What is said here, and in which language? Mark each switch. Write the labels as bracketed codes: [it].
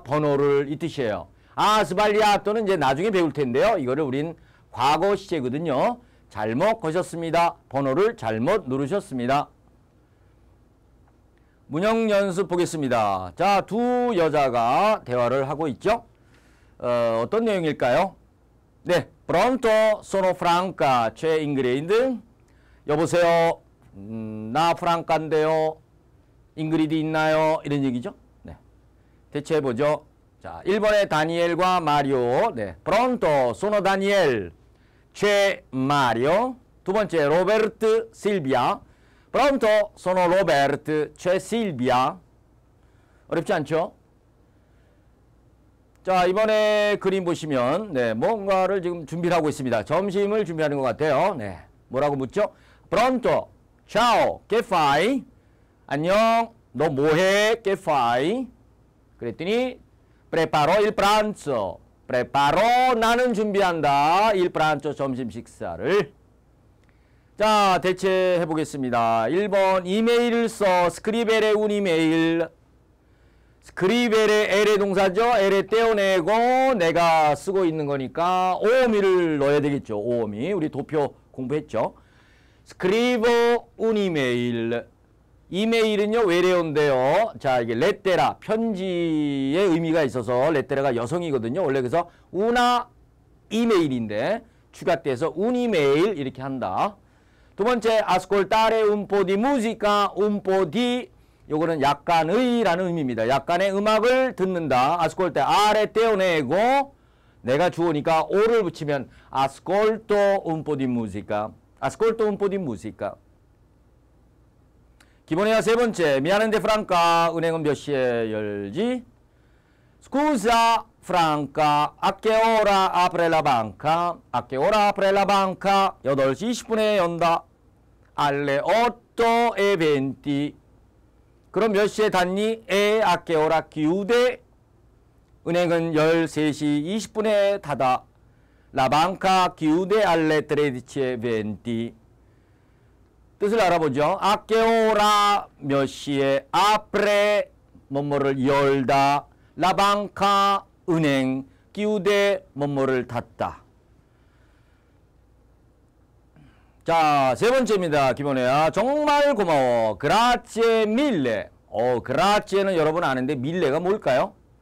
[ko] 번호를 이 뜻이에요. 아 스발리아토는 이제 나중에 배울 텐데요. 이거를 우린 과거 시제거든요. 잘못 거셨습니다. 번호를 잘못 누르셨습니다. 문형 연습 보겠습니다. 자, 두 여자가 대화를 하고 있죠. 어떤 내용일까요? 네. [it] Pronto sono Franca, c'è Ingrid. [ko] 여보세요. 나 프랑카인데요. 잉그리드 있나요? 이런 얘기죠. 네. 대체해 보죠. 자, 1번에 다니엘과 마리오. [it] 네. Pronto sono Daniel. C'è Mario. [ko] 두 번째 로베르트 실비아. [it] Pronto sono Roberto. C'è Silvia. [ko] 어렵지 않죠? 자, 이번에 그림 보시면 네, 뭔가를 지금 준비를 하고 있습니다. 점심을 준비하는 것 같아요. [it] 네. [ko] 뭐라고 묻죠? [it] Pronto. Ciao, che fai? [ko] 안녕, 너 뭐해? [it] Che fai? 그랬더니 preparo il pranzo. [ko] Preparo, 나는 준비한다. [it] Il pranzo, [ko] 점심 식사를. 자, 대체해 보겠습니다. 1번, 이메일을 써. [it] Scrivere un email. [ko] Scrivere, ere 동사죠. ere 떼어내고 내가 쓰고 있는 거니까 오오미를 넣어야 되겠죠. 오오미. 우리 도표 공부했죠. [it] Scrivo un email. [ko] 이메일은요, 외래어인데요. 자, 이게 lettera, 편지의 의미가 있어서 lettera가 여성이거든요. 원래 그래서 una 이메일인데 추가돼서 [it] un email [ko] 이렇게 한다. [it] 두 번째, ascoltare un po' di musica, un po' di. [ko] 요거는 약간의 라는 의미입니다. 약간의 음악을 듣는다. ascoltare, 아래 떼어내고 내가 주어니까 o를 붙이면 [it] ascolto un po' di musica. Ascolto un po' di musica. [ko] 기본회화 세 번째. 미안한데 프랑카 은행은 몇 시에 열지? [it] Scusa Franca. A che ora apre la banca? A che ora apre la banca? [ko] 8시 20분에 연다. [it] Alle 8 e 20. [ko] 그럼 몇 시에 닫니? [it] E a che ora chiude? [ko] 은행은 13시 20분에 닫아. [it] La banca chiude alle 13:20. [ko] 뜻을 알아보죠. [it] A che ora mio sie apre [ko] 뭐뭐를 열다. La banca 은행 chiude 뭐뭐를 닫다. 자, 세 번째입니다. 김원해야 정말 고마워. [it] Grazie mille. [ko] 어, grazie는 여러분 아는데 mille가 뭘까요?